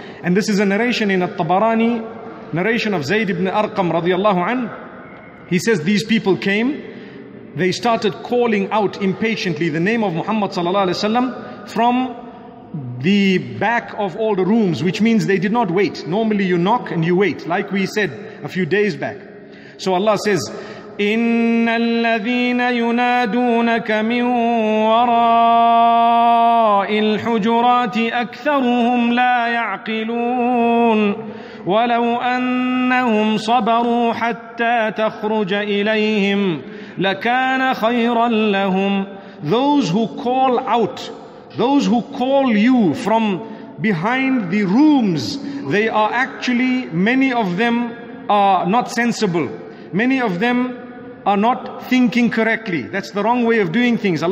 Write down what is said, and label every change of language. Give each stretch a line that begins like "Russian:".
English: And this is a narration in At-Tabarani, narration of Zayd ibn Arqam radiyallahu an. He says these people came, they started calling out impatiently the name of Muhammad sallallahu alayhi wa sallam from the back of all the rooms, which means they did not wait. Normally you knock and you wait, like we said a few days back.
Arabic: So Allah says, إِنَّ الَّذِينَ يُنَادُونَكَ مِنْ وَرَاءِ الْحُجُرَاتِ أَكْثَرُهُمْ لَا يَعْقِلُونَ وَلَوْ أَنَّهُمْ صَبَرُوا حَتَّى تَخْرُجَ إِلَيْهِمْ لَكَانَ خَيْرًا لَهُمْ.
English: Those who call out, those who call you from behind the rooms, they are actually, many of them are not sensible. Many of them are not thinking correctly. That's the wrong way of doing things.